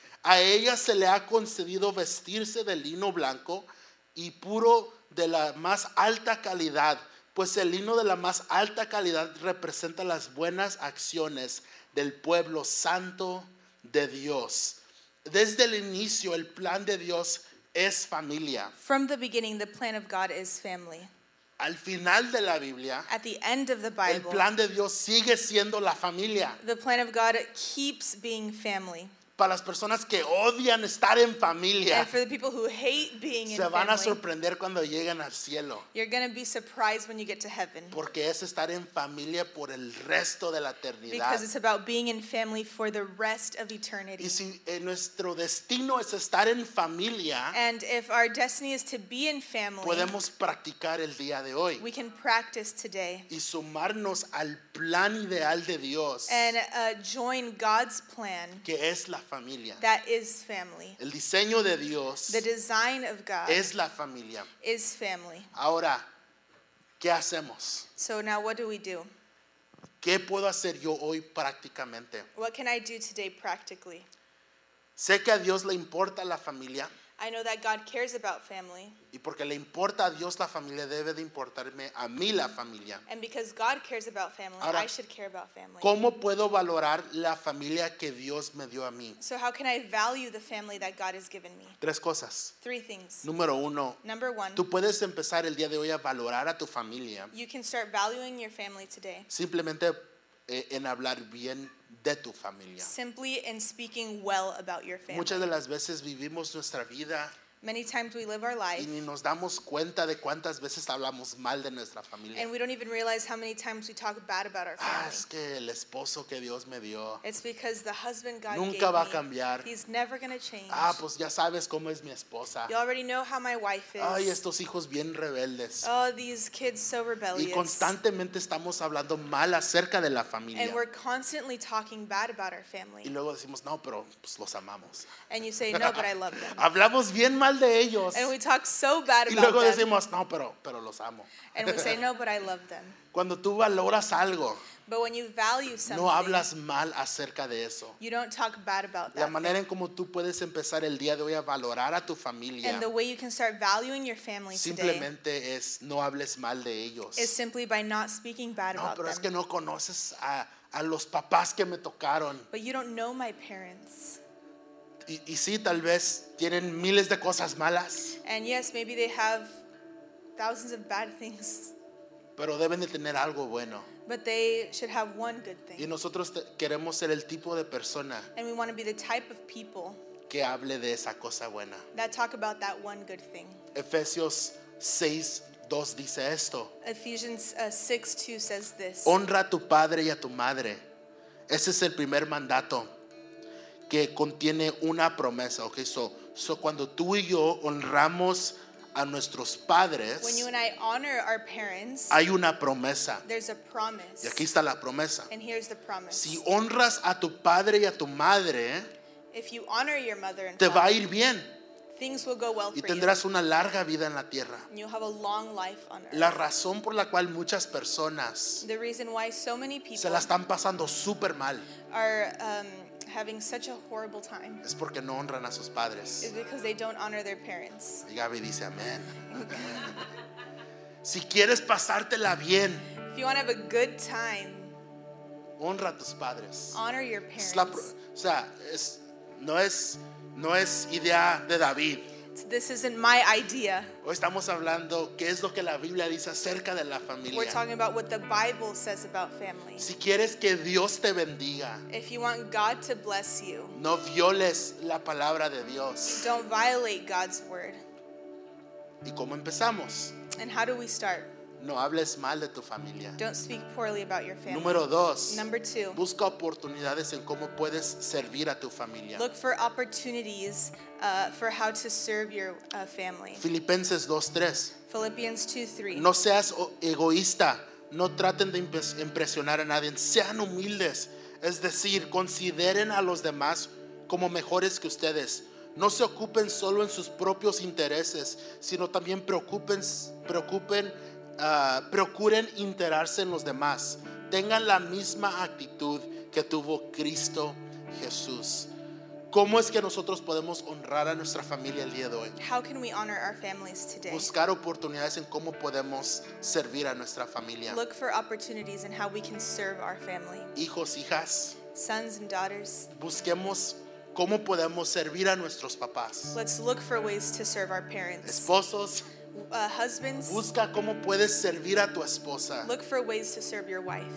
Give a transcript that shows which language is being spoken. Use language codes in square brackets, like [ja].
[es] A ella se le ha concedido vestirse de lino blanco y puro de la más alta calidad, pues el lino de la más alta calidad representa las buenas acciones del pueblo santo de Dios. Desde el inicio, el plan de Dios es familia. [en] From the beginning, the plan of God is family. [es] Al final de la Biblia, [en] at the end of the Bible, [es] el plan de Dios sigue siendo la familia. [en] The plan of God keeps being family. [es] Para las personas que odian estar en familia, [en] and for the people who hate being in family, [es] se van a sorprender cuando lleguen al cielo. [en] You're going to be surprised when you get to heaven. [es] Porque es estar en familia por el resto de la eternidad. [en] Because it's about being in family for the rest of eternity. [es] Y si nuestro destino es estar en familia, [en] and if our destiny is to be in family, [es] podemos practicar el día de hoy. [en] We can practice today. [es] Y sumarnos al plan ideal de Dios. [en] And join God's plan. [es] Que es la familia. [en] That is family. [es] El diseño de Dios. [en] The design of God. [es] Es la familia. [en] Is family. [es] Ahora, ¿qué hacemos? [en] So now what do we do? [es] ¿Qué puedo hacer yo hoy prácticamente? [en] What can I do today practically? [es] Sé que a Dios le importa la familia. [en] I know that God cares about family. [es] Y porque le importa a Dios la familia, debe de importarme a mí la familia. [en] And because God cares about family, [es] ahora, [en] I should care about family. [es] ¿Cómo puedo valorar la familia que Dios me dio a mí? [en] So how can I value the family that God has given me? [es] Tres cosas. [en] Three things. [es] Número uno. [en] Number one. [es] Tú puedes empezar el día de hoy a valorar a tu familia. [en] You can start valuing your family today. [es] Simplemente en hablar bien de tu familia. [en] Simply in speaking well about your family. [es] Muchas de las veces vivimos nuestra vida. [en] Many times we live our life. [es] Y ni nos damos cuenta de cuántas veces hablamos mal de nuestra familia. [en] And we don't even realize how many times we talk bad about our family. [es] Ah, es que el esposo que Dios me dio. [en] It's because the husband God [es] nunca [en] gave [es] va a cambiar. [en] Me, he's never going to change. [es] Ah, pues ya sabes cómo es mi esposa. [en] You already know how my wife is. [es] Ay, estos hijos bien rebeldes. [en] Oh, these kids so rebellious. [es] Y constantemente estamos hablando mal acerca de la familia. [en] And we're constantly talking bad about our family. [es] Y luego decimos, no, pero pues los amamos. [en] And you say, no, but I love them. [es] Hablamos bien mal de ellos. [en] And we talk so bad about [es] y luego [en] them. [es] Decimos, no, pero los amo. [en] And we say, no, but I love them. [es] Cuando tú valoras algo, [en] but when you value something, [es] no hablas mal acerca de eso. [en] You don't talk bad about that. [es] La manera en cómo tú puedes empezar el día de hoy a valorar a tu familia. [en] And the way you can start valuing your family [es] simplemente [en] today. [es] Simplemente es no hables mal de ellos. [en] Is simply by not speaking bad [es] no, [en] about them. [es] No, pero es que no conoces a los papás que me tocaron. [en] But you don't know my parents. [es] Y sí, tal vez tienen miles de cosas malas. [en] And yes, maybe they have thousands of bad things. [es] Pero deben de tener algo bueno. [en] But they should have one good thing. [es] Y nosotros queremos ser el tipo de persona. [en] And we want to be the type of people. [es] Que hable de esa cosa buena. [en] That talk about that one good thing. [es] Efesios 6, 2 dice esto. [en] Ephesians 6, 2 says this. [es] Honra a tu padre y a tu madre. Ese es el primer mandato que contiene una promesa. [en] Okay, so [es] cuando tú y yo honramos a nuestros padres, [en] when you and I honor our parents, [es] hay una promesa. [en] There's a promise. [es] Y aquí está la promesa. [en] And here's the promise. [es] Si honras a tu padre y a tu madre, [en] if you honor your mother and father, [es] te va a ir bien. [en] Things will go well [es] y tendrás una larga vida en la tierra. [en] And you'll have a long life on earth. [es] La razón por la cual muchas personas, [en] the reason why so many people, [es] se la están pasando súper mal, [en] are having such a horrible time, [es] es porque no honran a sus padres. [en] Is because they don't honor their parents. [es] Y Gaby dice amén. Si quieres pasártela bien, [en] if you want to have a good time, [es] honra a tus padres. [en] Honor your parents. [es] No es idea de David. [en] This isn't my idea. [es] Hoy estamos hablando qué es lo que la Biblia dice acerca de la familia. [en] We're talking about what the Bible says about family. [es] Si quieres que Dios te bendiga, [en] if you want God to bless you, [es] no violes la palabra de Dios. [en] Don't violate God's word. [es] ¿Y cómo empezamos? [en] And how do we start? [es] No hables mal de tu familia. [en] Don't speak poorly about your family. [es] Número dos. [en] Number two. [es] Busca oportunidades en cómo puedes servir a tu familia. [en] Look for opportunities for how to serve your family. [es] Filipenses 2:3. [en] Philippians 2:3. [es] No seas egoísta. No traten de impresionar a nadie. Sean humildes. Es decir, consideren a los demás como mejores que ustedes. No se ocupen solo en sus propios intereses, sino también procuren interesarse en los demás. Tengan la misma actitud que tuvo Cristo Jesús. ¿Cómo es que nosotros podemos honrar a nuestra familia el día de hoy? [en] How can we honor our families today? [es] Buscar oportunidades en cómo podemos servir a nuestra familia. [en] Look for opportunities in how we can serve our family. [es] Hijos, hijas, [en] sons and daughters. [es] Busquemos cómo podemos servir a nuestros papás. [en] Let's look for ways to serve our parents. [es] Esposos, [en] Husbands, [es] busca cómo puedes servir a tu esposa. [en] Look for ways to serve your wife.